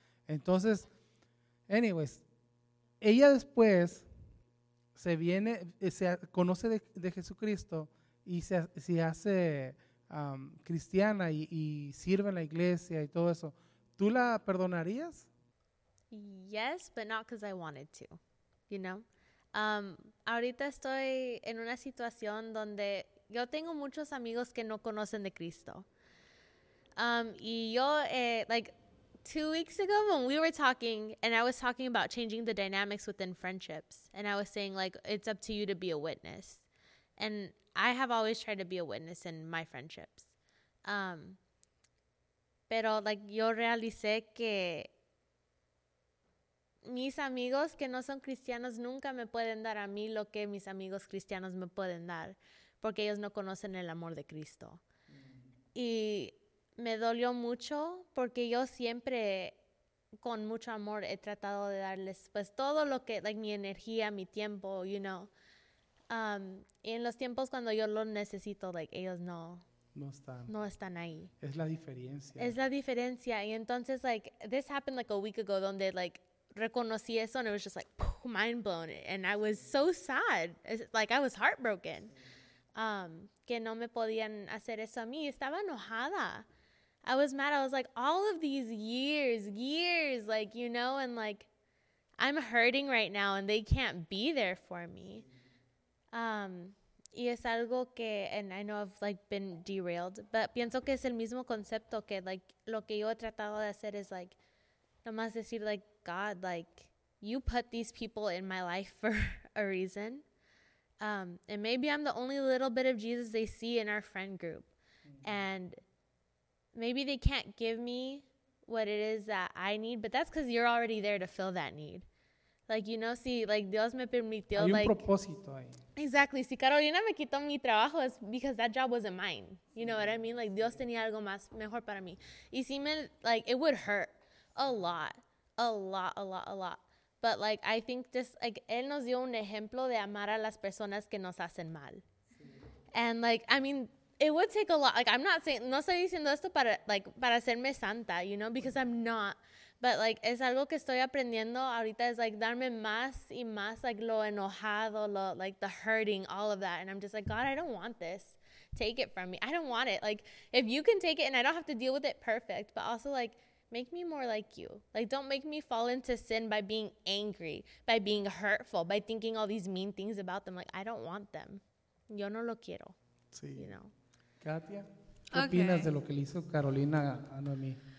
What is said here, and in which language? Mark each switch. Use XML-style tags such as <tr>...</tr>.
<es>Entonces, anyways, ella después se viene, se conoce de Jesucristo, y se hace cristiana y sirve en la iglesia y todo eso, ¿tú la perdonarías?</es> <en>Yes, but not because I wanted to, you know.</en> <es>Ahorita estoy en una situación donde yo tengo muchos amigos que no conocen de Cristo. Y yo,</es> <en>like, 2 weeks ago when we were talking, and I was talking about changing the dynamics within friendships, and I was saying, like, it's up to you to be a witness. And I have always tried to be a witness in my friendships.</en> <es>Pero, like, yo realicé que mis amigos que no son cristianos nunca me pueden dar a mí lo que mis amigos cristianos me pueden dar, porque ellos no conocen el amor de Cristo. Y me dolió mucho porque yo siempre, con mucho amor, he tratado de darles, pues, todo lo que, like, mi energía, mi tiempo,</es> <en>you know.</en> <es>Y en los tiempos cuando yo lo necesito, like, ellos no están ahí. Es la diferencia. Y entonces,</es> <en>like, this happened like a week ago,</en> <es>donde, like, reconocí eso,</es> <en>and it was just like, poof, mind blown, and I was so sad. It's like I was heartbroken,</en> <es>que no me podían hacer eso a mí. Estaba enojada.</es> <en>I was mad. I was like, all of these years, like, you know, and, like, I'm hurting right now and they can't be there for me.</en> <es>Y es algo que,</es> <en>and I know I've, like, been derailed, but</en> <es>pienso que es el mismo concepto que, like, lo que yo he tratado de hacer es, like, nomás decir,</es> <en>like, God, like, you put these people in my life for a reason. And maybe I'm the only little bit of Jesus they see in our friend group. Mm-hmm. And maybe they can't give me what it is that I need, but that's because you're already there to fill that need. Like, you know,</en> <es>si, like, Dios me permitió, hay</es> <en>like...</en> <es>Hay un propósito ahí.</es> <en>Exactly.</en> <es>Si Carolina me quitó mi trabajo,</es> <en>it's because that job wasn't mine. You know what I mean?</en> <es>Like, Dios tenía algo más mejor para mí. Y si me,</es> <en>like, it would hurt a lot. A lot, a lot, a lot. But, like, I think just, like,</en> <es>él nos dio un ejemplo de amar a las personas que nos hacen mal.</es> <en>And, like, I mean, it would take a lot. Like, I'm not saying,</en> <es>no estoy diciendo esto para, like, para hacerme santa,</es> <en>you know, because I'm not. But, like,</en> <es>es algo que estoy aprendiendo ahorita, es, like, darme más y más, like, lo enojado, lo, like,</es> <en>the hurting, all of that. And I'm just like, God, I don't want this. Take it from me. I don't want it. Like, if you can take it and I don't have to deal with it, perfect. But also, like, make me more like you. Like, don't make me fall into sin by being angry, by being hurtful, by thinking all these mean things about them. Like, I don't want them.</en> <es>Yo no lo quiero. Sí.</es> <en>You know?</en> <es>Katia, ¿qué opinas de lo que le hizo Carolina a Noemí?</es>